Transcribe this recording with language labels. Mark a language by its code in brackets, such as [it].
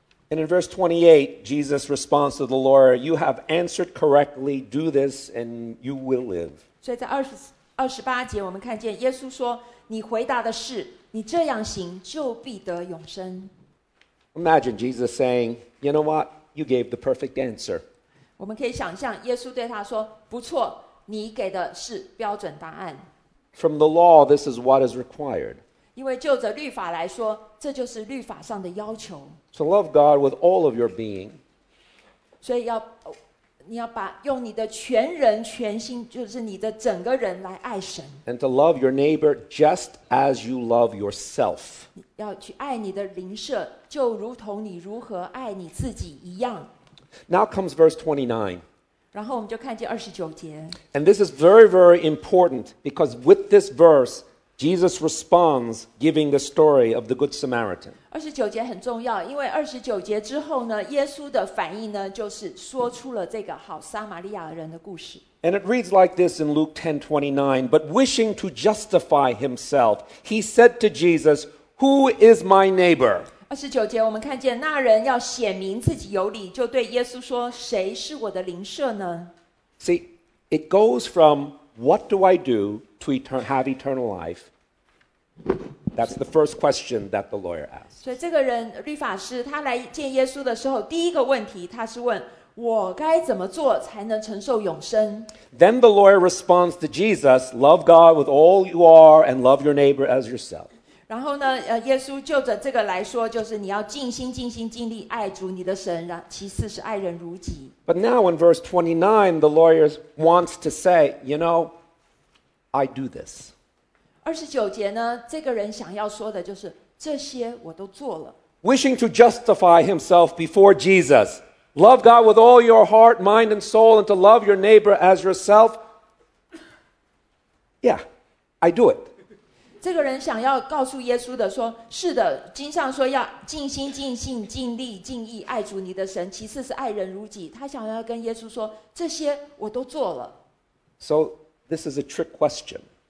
[en] And in verse 28 Jesus responds to the lawyer You have answered correctly Do this and you will live [zh] 所以在28节我们看见耶稣说你回答的是你这样行就必得永生 [en] Imagine Jesus saying You know what? You gave the perfect answer [zh] 我们可以想象耶稣对他说不错你给的是标准答案 [en] From the law this is what is required [zh] 因为就着律法来说这就是律法上的要求 [en] To love God with all of your being [zh] 所以要你要把用你的全人全心，就是你的整个人来爱神。 [en] And to love your neighbor just as you love yourself. [zh] 要去爱你的邻舍，就如同你如何爱你自己一样。 [en] Now comes verse 29. [zh] 然后我们就看见二十九节。 [en] And this is very, very important because with this verse. Jesus responds giving the story of the Good Samaritan. [zh] 29节很重要，因为29节之后呢，耶稣的反应呢，就是说出了这个好撒玛利亚人的故事。 [en] And it reads like this in Luke 10:29, but wishing to justify himself, he said to Jesus, "Who is my neighbor?" [zh] 29节我们看见那人要显明自己有理，就对耶稣说，谁是我的邻舍呢？ [en] See, it goes from what do I do? To have eternal life, that's the first question that the lawyer asks. [zh] 所以这个人律法师他来见耶稣的时候，第一个问题他是问我该怎么做才能承受永生。 [en] Then the lawyer responds to Jesus, "Love God with all you are, and love your neighbor as yourself." [zh] 然后呢，耶稣就着这个来说，就是你要尽心、尽心、尽力爱主你的神，然其次是爱人如己。 [en] But now in verse 29, the lawyer wants to say, you know. I do this. [zh] 二十九节呢，这个人想要说的就是这些我都做了。 [en] Wishing to justify himself before Jesus, love God with all your heart, mind, and soul, and to love your neighbor as yourself. Yeah, I do it. [zh] 这个人想要告诉耶稣的说，是的，经上说要尽心、尽性、尽力、尽意爱主你的神，其次是爱人如己。他想要跟耶稣说，这些我都做了。 [en] So. This is a trick question.